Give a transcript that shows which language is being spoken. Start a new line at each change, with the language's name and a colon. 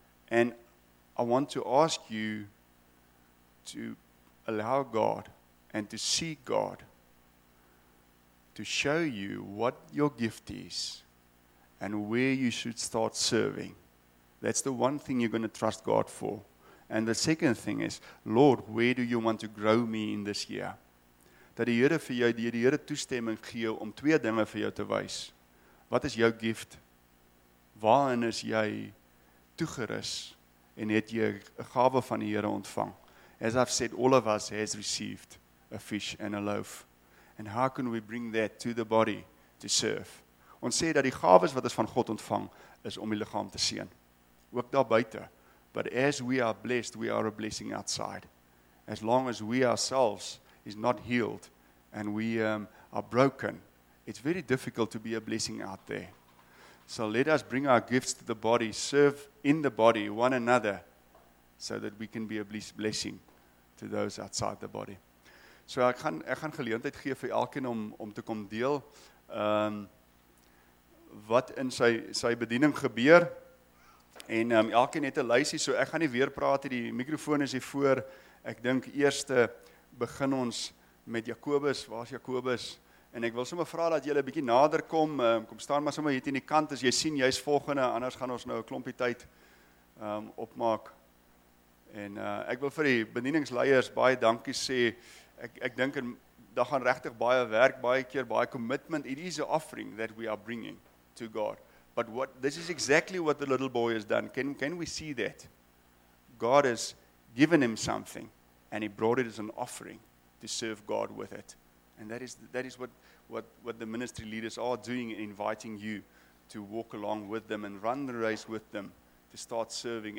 English: And I want to ask you to allow God and to seek God to show you what your gift is and where you should start serving. That's the one thing you're going to trust God for. And the second thing is, Lord, where do you want to grow me in this year?
Afrikaans: Dat die Here vir jou, die Here toestemming gee om 2 dinge vir jou te wys. Wat is jou gift? Waarin is jy toegerus en het jy 'n gawe van die Here ontvang?
English: As I've said, all of us has received a fish and a loaf. And how can we bring that to the body to serve?
Afrikaans: Ons sê dat die gawes wat ons van God ontvang is om die liggaam te seën. Ook daar buite.
English: But as we are blessed, we are a blessing outside. As long as we ourselves is not healed and we are broken, it's very difficult to be a blessing out there. So let us bring our gifts to the body, serve in the body one another, so that we can be a blessing to those outside the body.
Afrikaans: So ek gaan geleentheid gee vir elkeen om te kom deel wat in sy bediening gebeur. En elkeen het 'n lysie, so ek gaan nie weer praat, die mikrofoon is hier voor. Ek dink eerste begin ons met Jakobus. Waar's Jakobus? En ek wil sommer vra dat julle 'n bietjie nader kom. Kom staan maar sommer hier teen die kant as jy sien jy's volgende, anders gaan ons nou 'n klompie tyd opmaak. En ek wil vir die bedieningsleiers baie dankie sê. Ek dink en daar gaan regtig baie werk, baie keer baie commitment.
English: It is an offering that we are bringing to God. But what this is exactly what the little boy has done. Can we see that? God has given him something and he brought it as an offering to serve God with it. And that is what the ministry leaders are doing, inviting you to walk along with them and run the race with them to start serving.